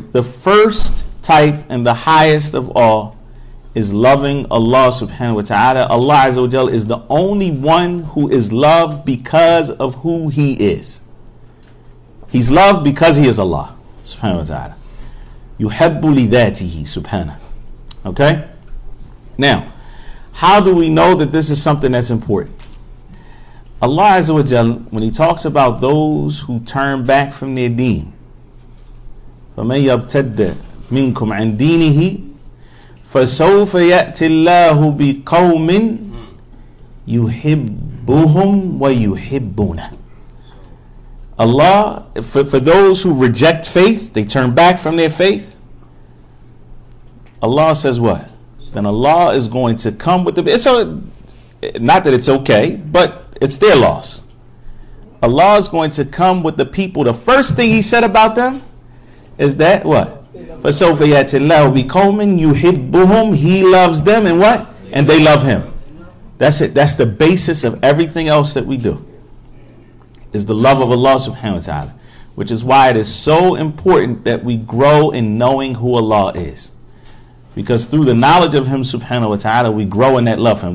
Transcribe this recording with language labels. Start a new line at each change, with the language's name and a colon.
English: The first type and the highest of all is loving Allah subhanahu wa ta'ala. Allah azza wa jalla is the only one who is loved because of who he is. He's loved because he is Allah subhanahu wa ta'ala.
Arabic: يُحَبُّ لِذَاتِهِ subhanahu.
English: Okay? Now, how do we know that this is something that's important? Allah Azza wa Jalla, when he talks about those who turn back from their deen,
Arabic: فَمَنْ يَبْتَدَّ مِنْكُمْ عَنْ دِينِهِ فَسَوْفَ يَأْتِ اللَّهُ بِقَوْمٍ يُحِبُّهُمْ وَيُحِبُّونَ.
English: Allah, for those who reject faith, they turn back from their faith, Allah says what? Then Allah is going to come with them. Not that it's okay, but it's their loss. Allah is going to come with the people. The first thing he said about them is that what?
Arabic: فسوف يأتي الله بقوم يحبهم.
English: He loves them and what? And they love him. That's it. That's the basis of everything else that we do. Is the love of Allah subhanahu wa ta'ala. Which is why it is so important that we grow in knowing who Allah is. Because through the knowledge of Him subhanahu wa ta'ala, we grow in that love for Him.